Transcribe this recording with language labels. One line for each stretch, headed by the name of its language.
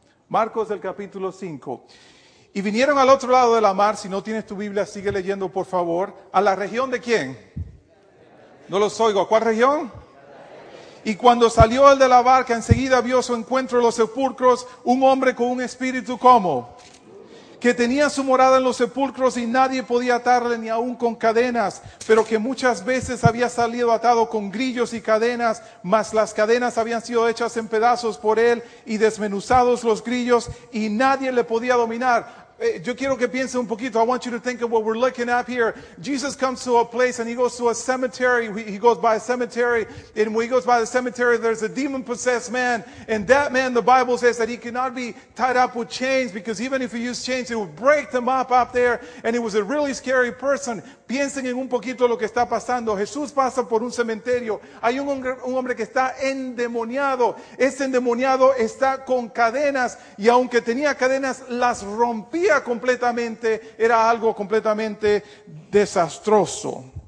Spanish: Marcos, el capítulo 5. Y vinieron al otro lado de la mar, si no tienes tu Biblia, sigue leyendo, por favor. ¿A la región de quién? No los oigo. ¿Cuál región? Y cuando salió el de la barca, enseguida vio su encuentro en los sepulcros, un hombre con un espíritu como, que tenía su morada en los sepulcros y nadie podía atarle ni aun con cadenas, pero que muchas veces había salido atado con grillos y cadenas, mas las cadenas habían sido hechas en pedazos por él y desmenuzados los grillos y nadie le podía dominar. Yo quiero que piense un poquito.
English: I want you to think of what we're looking at here. Jesus comes to a place and he goes to a cemetery. He goes by a cemetery. And when he goes by the cemetery, there's a demon-possessed man. And that man, the Bible says that he cannot be tied up with chains because even if he used chains, it would break them up there. And he was a really scary person.
Spanish: Piensen en un poquito lo que está pasando. Jesús pasa por un cementerio. Hay un hombre que está endemoniado. Ese endemoniado está con cadenas. Y aunque tenía cadenas, las rompió completamente, era algo completamente desastroso.